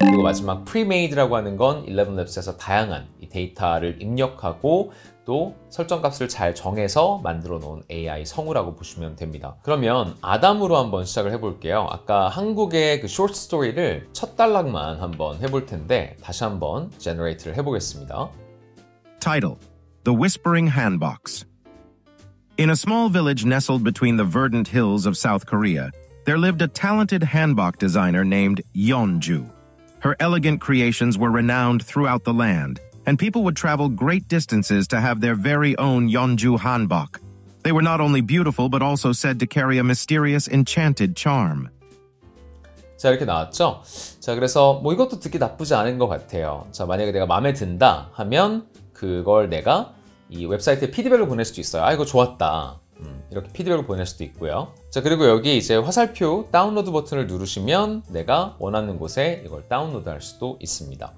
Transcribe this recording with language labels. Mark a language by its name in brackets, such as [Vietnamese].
[Korean] 그리고 마지막 pre-made라고 하는 건 11labs에서 다양한 이 데이터를 입력하고 또 설정값을 잘 정해서 만들어 놓은 AI 성우라고 보시면 됩니다. 그러면 아담으로 한번 시작을 해볼게요. 아까 한국의 그 쇼트 스토리를 첫 단락만 한번 해볼 텐데 다시 한번 generate를 해보겠습니다. [English] Title: The Whispering Handbox. In a small village nestled between the verdant hills of South Korea, there lived a talented hanbok designer named Yeonju. Her elegant creations were renowned throughout the land, and people would travel great distances to have their very own Yeonju hanbok. They were not only beautiful, but also said to carry a mysterious, enchanted charm. [Korean] 자, 이렇게 나왔죠? 자, 그래서 뭐 이것도 듣기 나쁘지 않은 것 같아요. 자, 만약에 내가 마음에 든다 하면 그걸 내가 이 웹사이트에 피드백을 보낼 수도 있어요. 아, 이거 좋았다. 이렇게 피드백을 보낼 수도 있고요. 자, 그리고 여기 이제 화살표 다운로드 버튼을 누르시면 내가 원하는 곳에 이걸 다운로드 할 수도 있습니다.